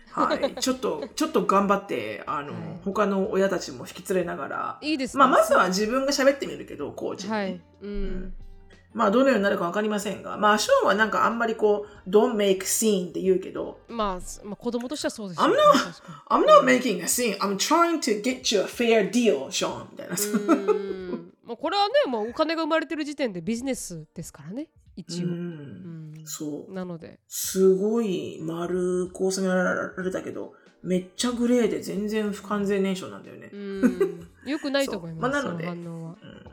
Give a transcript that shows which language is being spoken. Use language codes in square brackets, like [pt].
[ja] はい、ちょっと頑張ってあの、はい、他の親たちも引き連れながら、いいですね、まあ、まずは自分が喋ってみるけどコーチに、はい、うんまあ、どのようになるか分かりませんが、まあ、ショーンはなんかあんまりこう [en] Don't make scene [ja] って言うけど、まあ、まあ子供としてはそうですよね。 [en] I'm not making a scene. I'm trying to get you a fair deal, Sean [ja] みたいな。うん、まあ、これはね、まあ、お金が生まれてる時点でビジネスですからね、一応。うん、そう。なのですごい丸く収められたけど、めっちゃグレーで全然不完全燃焼なんだよね。うん、よくないと思います、まあ、なのでその反応は、う